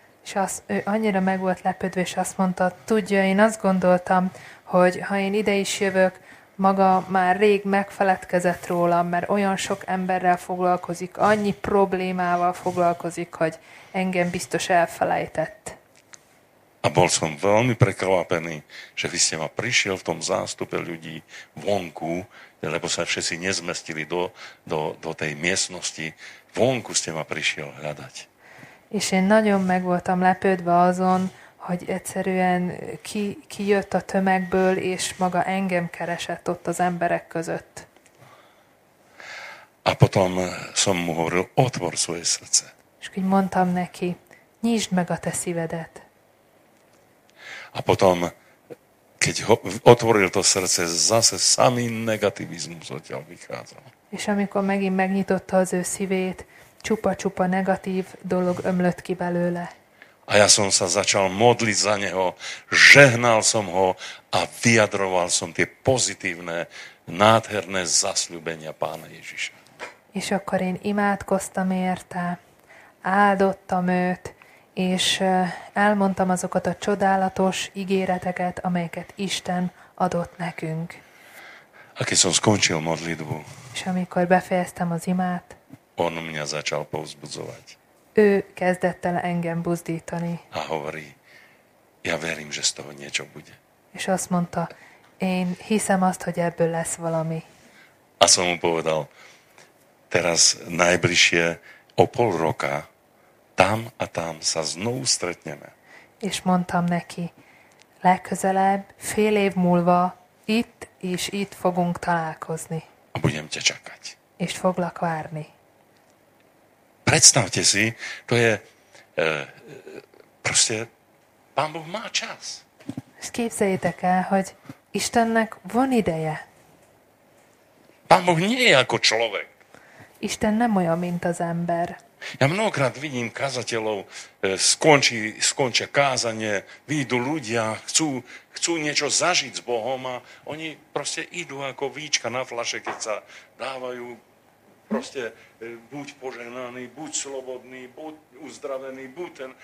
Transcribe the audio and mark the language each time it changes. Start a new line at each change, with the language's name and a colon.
Hungarian: És az, ő annyira meg volt lepődve, és azt mondta, tudja, én azt gondoltam, hogy ha én ide is jövök, maga már rég megfeledkezett rólam, mert olyan sok emberrel foglalkozik, annyi problémával foglalkozik, hogy engem biztos elfelejtett.
Slovak: A bol som veľmi prekvapený, že vy ste ma prišiel v tom zástupe ľudí vonku, lebo sa všetci nezmestili do tej miestnosti, vonku ste ma prišiel hľadať.
Hungarian: És én nagyon meg voltam lepődve azon, hogy egyszerűen ki jött a tömegből, és maga engem keresett ott az emberek között.
Slovak: A potom som mu hovoril, otvor svoje srdce.
Hungarian: És úgy mondtam neki, nyisd meg a te szívedet.
Slovak: A potom, keď otvoril to srdce, zase samý negativizmus odtiaľ vychádzal.
Hungarian: És amikor megint megnyitotta az ő szívét, čupa-čupa negatív dolog ömlött ki belőle.
Slovak: A ja som sa začal modliť za neho, žehnal som ho a vyjadroval som tie pozitívne, nádherné zasľúbenia Pána Ježiša.
Hungarian: És akkor én imádkoztam érte, áldottam őt, és elmondtam azokat a csodálatos ígéreteket, amelyeket Isten adott nekünk.
Slovak: A keď som skončil modlitbu,
Hungarian: és amikor befejeztem az imát,
Slovak: on mňa začal povzbudzovať.
Hungarian: Ő kezdett el engem buzdítani.
Slovak: A hovorí, ja verím, že z toho niečo bude.
Hungarian: És azt mondta, én hiszem azt, hogy ebből lesz valami.
Slovak: A som mu povedal, teraz najbližšie o pol roka tam a tam sa znovu stretneme.
Hungarian: És mondtam neki, legközelebb fél év múlva itt és itt fogunk találkozni.
Slovak: A budem ťa čakať.
Hungarian: És foglak várni.
Slovak: Predstavte si, to je proste Pán Boh má čas.
Hungarian: Képzeljétek el, hogy Istennek van ideje.
Slovak: Pán Boh nie je ako človek.
Hungarian: Isten nem olyan, mint az ember.
Slovak: Ja mnohokrát vidím kazateľov, skončia kázanie, vyjdu ľudia, chcú niečo zažiť s Bohom a oni proste idú ako víčka na fľaše, keď sa dávajú proste buď požehnaný, buď slobodný, buď uzdravený, buď ten.